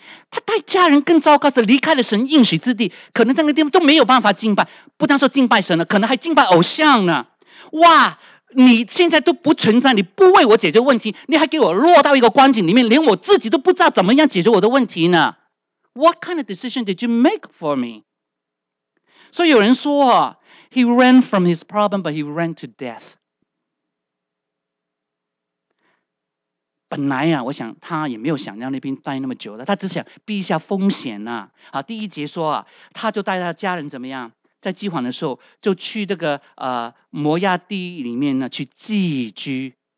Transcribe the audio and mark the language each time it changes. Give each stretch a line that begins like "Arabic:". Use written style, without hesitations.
Chinese: 他带家人更糟糕，是离开了神应许之地，可能在那地方都没有办法敬拜，不但说敬拜神了，可能还敬拜偶像呢。哇，你现在都不存在，你不为我解决问题，你还给我落到一个光景里面，连我自己都不知道怎么样解决我的问题呢。
English: What kind of decision did you make for me?
Chinese: 所以有人说
English: He ran from his problem, but he ran to death.
Chinese: 本来啊，我想他也没有想要那边待那么久的，他只想避一下风险啊。好，第一节说啊，他就带他家人怎么样，在饥荒的时候就去这个摩押地里面呢去寄居。